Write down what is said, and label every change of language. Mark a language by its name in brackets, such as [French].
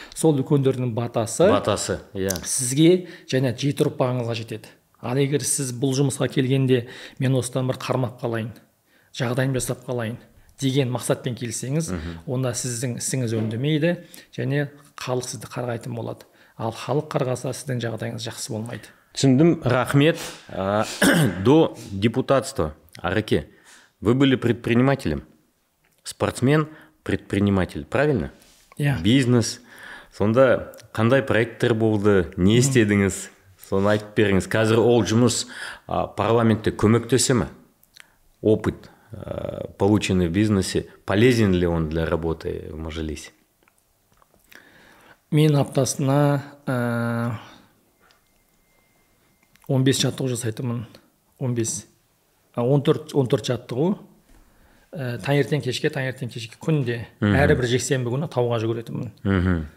[Kazakh] Сол үлкендердің батасы сізге және жеті ұрпағыңызға жетеді. Ал егер сіз бұл жұмысқа келгенде мен осыдан бір қармап қалайын, жағдайым жасап қалайын деген мақсатпен келсеңіз, онда сіздің ісіңіз өндімейді және халық сізді қарғайтын болады. Ал халық қарғаса сіздің жағдайыңыз жақсы болмайды. Түсіндім, рахмет. [Russian] До депутатства, Ареке, вы были предпринимателем, спортсмен, предприниматель, правильно? [Kazakh] Иә. Бизнес. Сонда қандай проекттер болды, не істедіңіз? Соны айтып беріңіз. Қазір ол жұмыс парламентте көмектесе ме? [Russian] Опыт, полученный в бизнесе, полезен ли он для работы в мажилисе? [Kazakh] Мен аптасына 15 жаттығу жасайтынмын. 15. 14 жаттығу. Таңертең кешке, таңертең кешке күнде, әрбір жексенбі күні тауға жүгіретінмін.